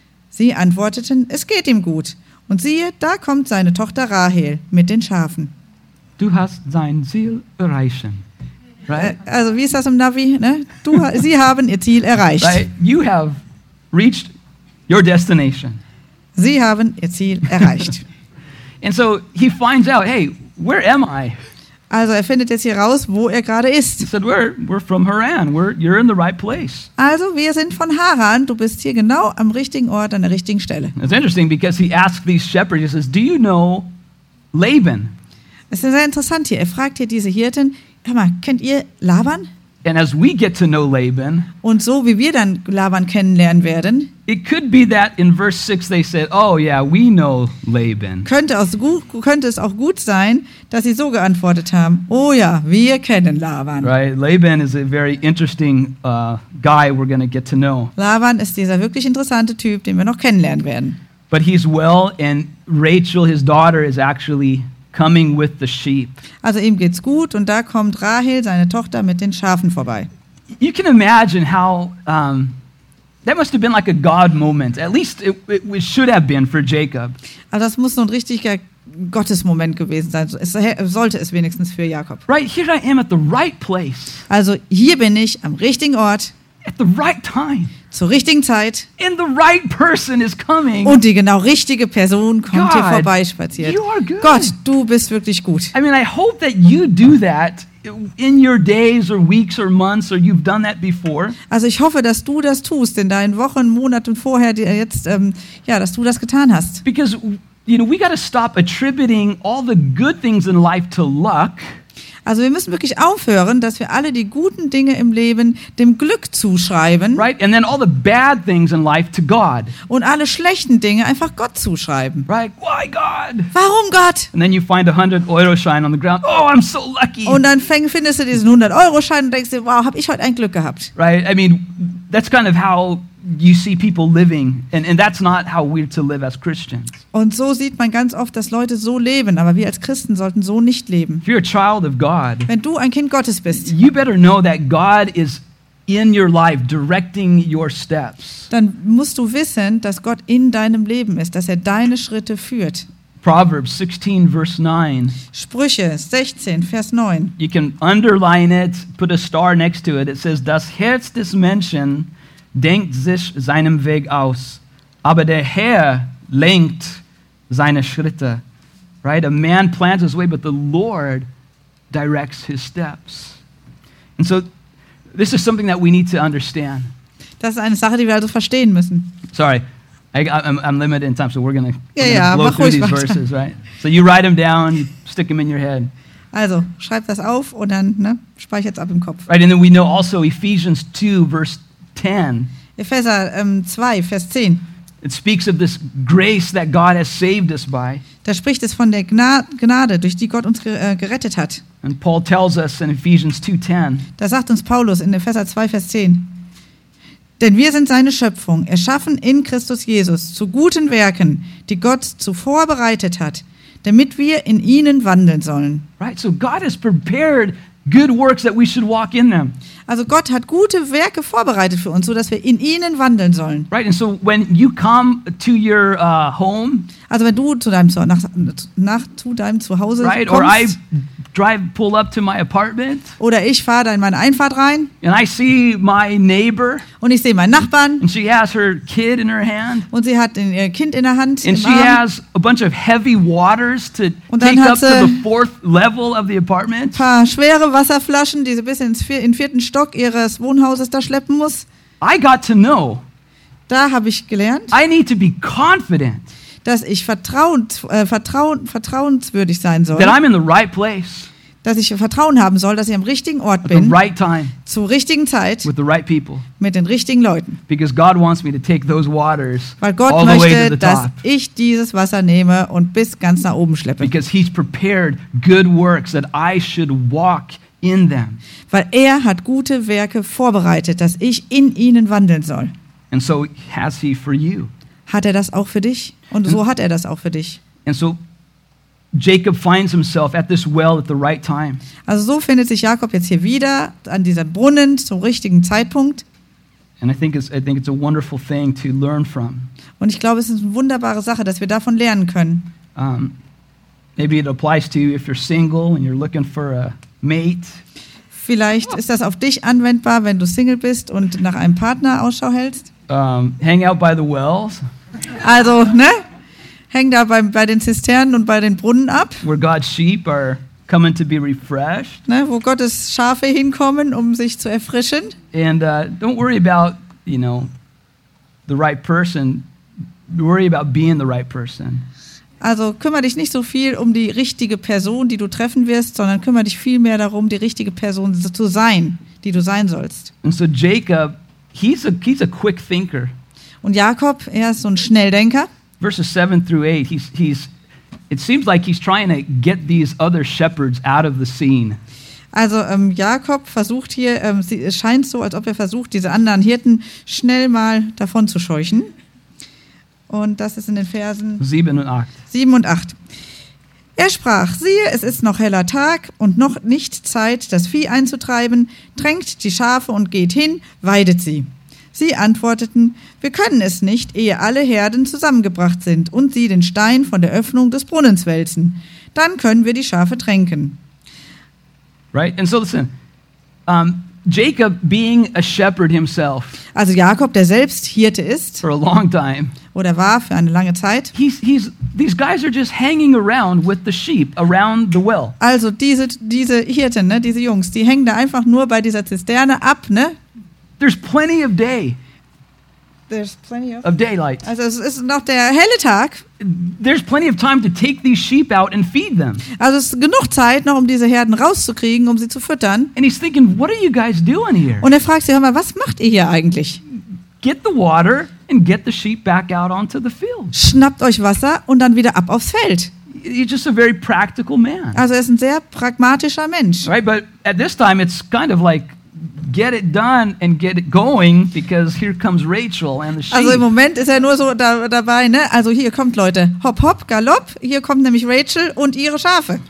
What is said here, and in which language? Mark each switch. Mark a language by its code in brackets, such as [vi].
[de] Sie antworteten: Es geht ihm gut. Und siehe, da kommt seine Tochter Rahel mit den Schafen. Du hast sein Ziel erreichen. Right? Also wie ist das im Navi? Ne? Sie haben ihr Ziel erreicht. [en] Right? You have reached your destination. [de] Sie haben ihr Ziel erreicht. [en] And so he finds out, hey, where am I? [de] Also er findet jetzt hier raus, wo er gerade ist. [en] He said, we're from Haran. You're in the right place. [de] Also wir sind von Haran. Du bist hier genau am richtigen Ort, an der richtigen Stelle. [en] It's interesting because he asked these shepherds, he says, do you know Laban? [de] Es ist sehr interessant hier. Er fragt hier diese Hirten, hör mal, kennt ihr Laban? [en] And as we get to know Laban, [de] und so wie wir dann Laban kennenlernen werden, [en] it could be that in verse 6 they said, oh yeah, we know Laban. [de] Könnte es auch gut sein, dass sie so geantwortet haben, oh ja, wir kennen Laban. [en] Right, Laban is a very interesting guy we're going to get to know. [de] Laban ist dieser wirklich interessante Typ, den wir noch kennenlernen werden. [en] But he's well and Rachel, his daughter, is actually coming with the sheep. [de] Also ihm geht's gut und da kommt Rahel, seine Tochter, mit den Schafen vorbei. [en] You can imagine how that must have been like a God moment. At least it should have been for Jacob. [de] Also das muss so ein richtiger Gottesmoment gewesen sein. Sollte es wenigstens für Jakob. [en] Right, here I am at the right place. [de] Also hier bin ich am richtigen Ort. [en] At the right time. [de] Zur richtigen Zeit. [en] And the right person is coming. [de] Und die genau richtige Person kommt hier vorbei spaziert. [en] You are good. [de] Gott, du bist wirklich gut. [en] I mean, I hope that you do that in your days or weeks or months or you've done that before. [de] Also ich hoffe, dass du das tust in deinen Wochen, Monaten vorher, jetzt dass du das getan hast. [en] Because you know, we got to stop attributing all the good things in life to luck. [de] Also wir müssen wirklich aufhören, dass wir alle die guten Dinge im Leben dem Glück zuschreiben. [en] Right, and then all the bad things in life to God. [de] Und alle schlechten Dinge einfach Gott zuschreiben. [en] Right, why God? [de] Warum Gott? [en] And then you find a 100-Euro-Schein on the ground. Oh, I'm so lucky. [de] Und dann findest du diesen 100-Euro-Schein und denkst dir, wow, hab ich heute ein Glück gehabt. [en] Right, I mean, that's kind of how you see people living, and that's not how we're to live as Christians. [de] Und so sieht man ganz oft, dass Leute so leben, aber wir als Christen sollten so nicht leben. [en] If you're a child of God, [de] wenn du ein Kind Gottes bist, [en] you better know that God is in your life directing your steps. [de] Dann musst du wissen, dass Gott in deinem Leben ist, dass deine Schritte führt. [en] Proverbs 16 verse 9. [de] Sprüche 16 Vers 9. [en] You can underline it, put a star next to it. It says, [de] "Das Herz des Menschen denkt sich seinem Weg aus, aber der Herr lenkt seine Schritte." [en] Right? A man plans his way, but the Lord directs his steps. And so, this is something that we need to understand. [de] Das ist eine Sache, die wir also verstehen müssen. [en] Sorry, I'm limited in time, so we're gonna blow through these verses, right? So you write them down, you stick them in your head. [de] Also, schreib das auf und dann speichert's ab im Kopf. [en] Right, and then we know also Ephesians 2, verse 10. [de] Epheser 2, Vers 10. [en] It speaks of this grace that God has saved us by. [de] Da spricht es von der Gnade, durch die Gott uns gerettet hat. [en] And Paul tells us in Ephesians 2:10. [de] Da sagt uns Paulus in Epheser 2, Vers 10. Denn wir sind seine Schöpfung, erschaffen in Christus Jesus zu guten Werken, die Gott zuvor bereitet hat, damit wir in ihnen wandeln sollen. [en] Right, so God has prepared good works that we should walk in them. [de] Also Gott hat gute Werke vorbereitet für uns, so dass wir in ihnen wandeln sollen. [en] Right, and so when you come to your home, [de] also wenn du zu deinem zu deinem Zuhause [en] right, [de] kommst, [en] or I drive pull up to my apartment, [de] oder ich fahre da in meine Einfahrt rein, [en] and I see my neighbor, [de] und ich sehe meinen Nachbarn, [en] and she has her kid in her hand, [de] und sie hat ihr Kind in der Hand, [en] and she has a bunch of heavy waters to take up to the fourth level of the apartment, [de] paar schwere Wasserflaschen, die sie bis ins vierten Stock ihres Wohnhauses da schleppen muss. [en] I got to know. [de] Da habe ich gelernt. [en] I need to be confident. [de] Dass ich vertrauenswürdig sein soll. [en] That I'm in the right place. [de] Dass ich Vertrauen haben soll, dass ich am richtigen Ort bin. [en] At the right time. [de] Zur richtigen Zeit. [en] With the right people. [de] Mit den richtigen Leuten. [en] Because God wants me to take those waters all the way to the top. [de] Weil Gott möchte, dass ich dieses Wasser nehme und bis ganz nach oben schleppe. [en] Because he's prepared good works that I should walk in them. [de] Weil er hat gute Werke vorbereitet, dass ich in ihnen wandeln soll. [en] And so has he for you. [de] Hat er das auch für dich? Und so hat er das auch für dich. [en] And so Jacob finds himself at this well at the right time. [de] Also so findet sich Jakob jetzt hier wieder an diesem Brunnen zum richtigen Zeitpunkt. [en] And I think it's a wonderful thing to learn from. [de] Und ich glaube, es ist eine wunderbare Sache, dass wir davon lernen können. [en] Maybe it applies to you if you're single and you're looking for a mate. [de] Vielleicht ist das auf dich anwendbar, wenn du Single bist und nach einem Partner Ausschau hältst. [en] Hang out by the wells. [de] Also, ne? Häng da bei den Zisternen und bei den Brunnen ab. [en] Where God's sheep are coming to be refreshed. [de] Ne? Wo Gottes Schafe hinkommen, um sich zu erfrischen. [en] And don't worry about, you know, the right person. Worry about being the right person. [de] Also kümmere dich nicht so viel um die richtige Person, die du treffen wirst, sondern kümmere dich vielmehr darum, die richtige Person zu sein, die du sein sollst. Und so [en] Jacob, he's a quick thinker. [de] Und Jakob, er ist so ein Schnelldenker. [en] Verses 7 through 8, it seems like he's trying to get these other shepherds out of the scene. [de] Also Jakob versucht hier, es scheint so, als ob er versucht, diese anderen Hirten schnell mal davon zu scheuchen. Und das ist in den Versen 7 und 8. Er sprach, siehe, es ist noch heller Tag und noch nicht Zeit, das Vieh einzutreiben, tränkt die Schafe und geht hin, weidet sie. Sie antworteten, wir können es nicht, ehe alle Herden zusammengebracht sind und sie den Stein von der Öffnung des Brunnens wälzen. Dann können wir die Schafe tränken. [en] Right, and so listen, Jacob being a shepherd himself. [de] Also Jakob, der selbst Hirte ist. [en] For a long time. [de] Oder war für eine lange Zeit. [en] These guys are just hanging around with the sheep around the well. [de] Also diese Hirten, ne, diese Jungs, die hängen da einfach nur bei dieser Zisterne ab, ne? [en] There's plenty of day. There's plenty of daylight. [de] Also es ist noch der helle Tag. [en] There's plenty of time to take these sheep out and feed them. [de] Also es ist genug Zeit noch, um diese Herden rauszukriegen, um sie zu füttern. [en] And he's thinking, what are you guys doing here? [de] Und er fragt sie, hör mal, was macht ihr hier eigentlich? [en] Get the water and get the sheep back out onto the field. [de] Schnappt euch Wasser und dann wieder ab aufs Feld. [en] He's just a very practical man. [de] Also er ist ein sehr pragmatischer Mensch. [en] Right, but at this time it's kind of like get it done and get it going because here comes Rachel and the sheep. [de] Also im Moment ist er nur so dabei, ne? Also hier kommt Leute. Hopp, hopp, galopp. Hier kommt nämlich Rachel und ihre Schafe.